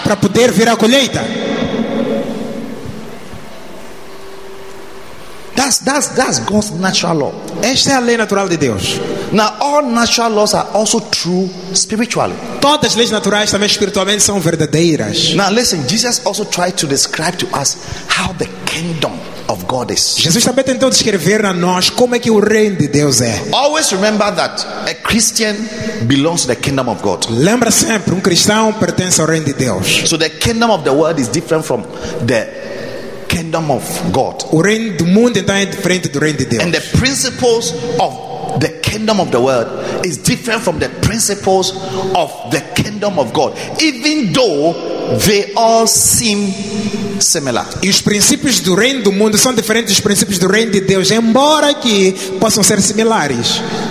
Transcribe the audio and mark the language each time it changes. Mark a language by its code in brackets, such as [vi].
[pt] Para poder vir a colheita. [en] That's God's natural law. [pt] Esta é a lei natural de Deus. [en] Now all natural laws are also true spiritually. [pt] Todas as leis naturais também espiritualmente são verdadeiras. [en] Now listen, Jesus also tried to describe to us how the kingdom of God is. [pt] Jesus também tentou descrever a nós como é que o reino de Deus é. [en] Always remember that a Christian belongs to the kingdom of God. [pt] Lembra sempre, cristão pertence ao reino de Deus. [en] So the kingdom of the world is different from the kingdom of God. [pt] O reino do mundo então é diferente do reino de Deus. [en] And the principles of the kingdom of the world is different from the principles of the kingdom of God, even though they all seem similar. [pt] E os princípios do reino do mundo são diferentes dos princípios do reino de Deus, embora que possam ser similares.